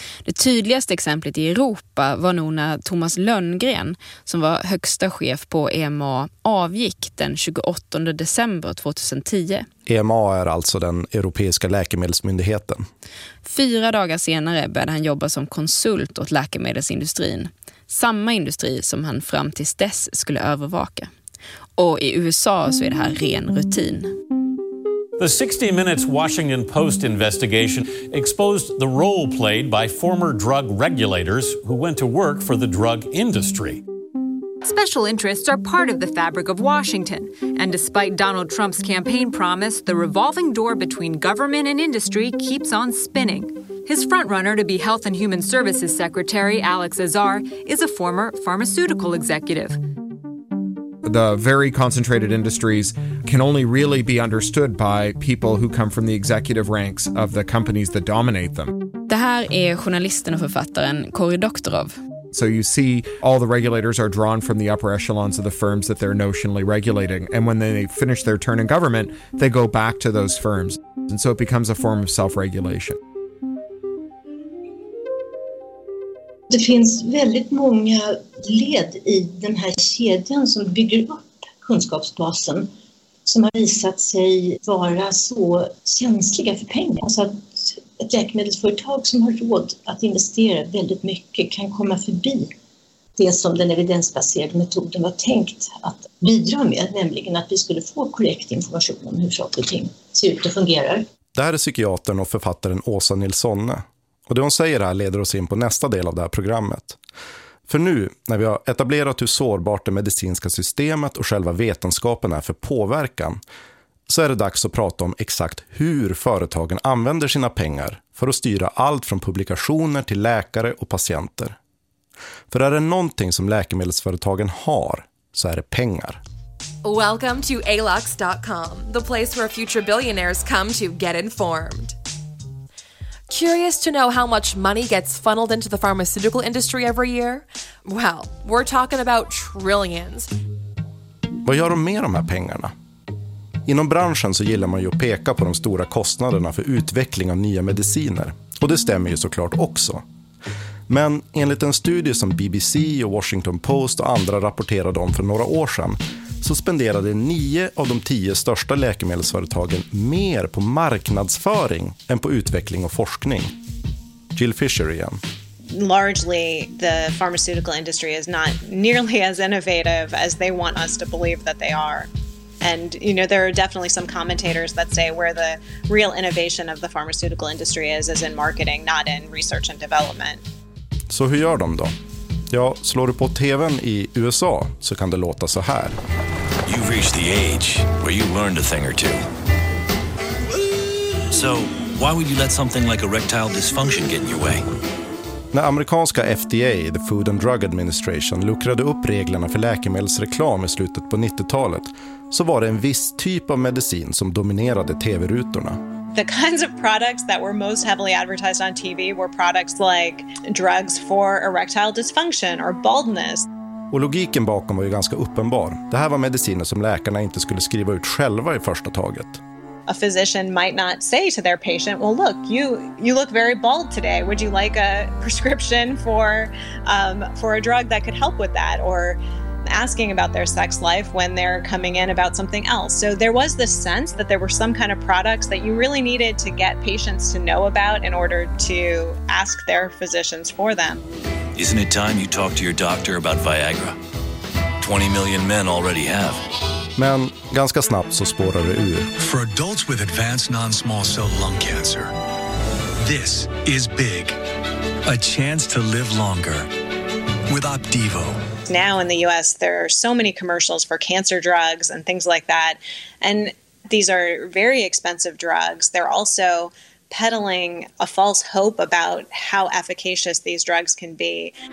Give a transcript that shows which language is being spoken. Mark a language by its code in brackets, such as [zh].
[sv] Det tydligaste exemplet i Europa var nog när Thomas Lönngren, som var högsta chef på EMA, avgick den 28 december 2010. EMA är alltså den europeiska läkemedelsmyndigheten. 4 dagar senare började han jobba som konsult åt läkemedelsindustrin. Samma industri som han fram tills dess skulle övervaka. Och i USA så är det här ren rutin. [en] The 60 Minutes Washington Post investigation exposed the role played by former drug regulators who went to work for the drug industry. Special interests are part of the fabric of Washington, and despite Donald Trump's campaign promise, the revolving door between government and industry keeps on spinning. His frontrunner to be Health and Human Services Secretary, Alex Azar, is a former pharmaceutical executive. The very concentrated industries can only really be understood by people who come from the executive ranks of the companies that dominate them. [sv] Det här är journalisten och författaren Cory Doctorow. [en] So you see all the regulators are drawn from the upper echelons of the firms that they're notionally regulating. And when they finish their turn in government, they go back to those firms. And so it becomes a form of self-regulation. [sv] Det finns väldigt många led i den här kedjan som bygger upp kunskapsbasen som har visat sig vara så känsliga för pengar. Alltså att ett läkemedelsföretag som har råd att investera väldigt mycket kan komma förbi det som den evidensbaserade metoden var tänkt att bidra med, nämligen att vi skulle få korrekt information om hur saker och ting ser ut och fungerar. Där är psykiatern och författaren Åsa Nilssonne. Och det hon säger här leder oss in på nästa del av det här programmet. För nu, när vi har etablerat hur sårbart det medicinska systemet och själva vetenskapen är för påverkan, så är det dags att prata om exakt hur företagen använder sina pengar för att styra allt från publikationer till läkare och patienter. För är det någonting som läkemedelsföretagen har, så är det pengar. [en] Welcome to alox.com, the place where future billionaires come to get informed. Curious to know how much money gets funneled into the pharmaceutical industry every year? Well, we're talking about trillions. [sv] Vad gör de med de här pengarna? Inom branschen så gillar man ju att peka på de stora kostnaderna för utveckling av nya mediciner. Och det stämmer ju såklart också. Men enligt en studie som BBC och Washington Post och andra rapporterade om för några år sedan, så spenderade 9 av de 10 största läkemedelsföretagen mer på marknadsföring än på utveckling och forskning. Jill Fisher igen. [en] Largely, the pharmaceutical industry is not nearly as innovative as they want us to believe that they are. And you know, there are definitely some commentators that say where the real innovation of the pharmaceutical industry is in marketing, not in research and development. [sv] Så hur gör de då? Ja, slår du på TV:n i USA så kan det låta så här. [en] You've reached the age where you learned a thing or two. So, why would you let something like erectile dysfunction get in your way? [sv] När amerikanska FDA, the Food and Drug Administration, luckrade upp reglerna för läkemedelsreklam i slutet på 90-talet, så var det en viss typ av medicin som dominerade TV-rutorna. [en] The kinds of products that were most heavily advertised on TV were products like drugs for erectile dysfunction or baldness. [sv] Och logiken bakom var ju ganska uppenbar. Det här var mediciner som läkarna inte skulle skriva ut själva i första taget. [en] A physician might not say to their patient, "Well, look, you look very bald today. Would you like a prescription for a drug that could help with that?" Or asking about their sex life when they're coming in about something else. So there was this sense that there were some kind of products that you really needed to get patients to know about in order to ask their physicians for them. Isn't it time you talk to your doctor about Viagra? 20 million men already have. [sv] Men ganska snabbt så spårar det ur. [en] For adults with advanced non-small cell lung cancer, this is big. A chance to live longer with Opdivo. Now in the US there are so many commercials for cancer drugs and things like that. And these are very expensive drugs. They're also peddling a false hope about how efficacious these drugs can be.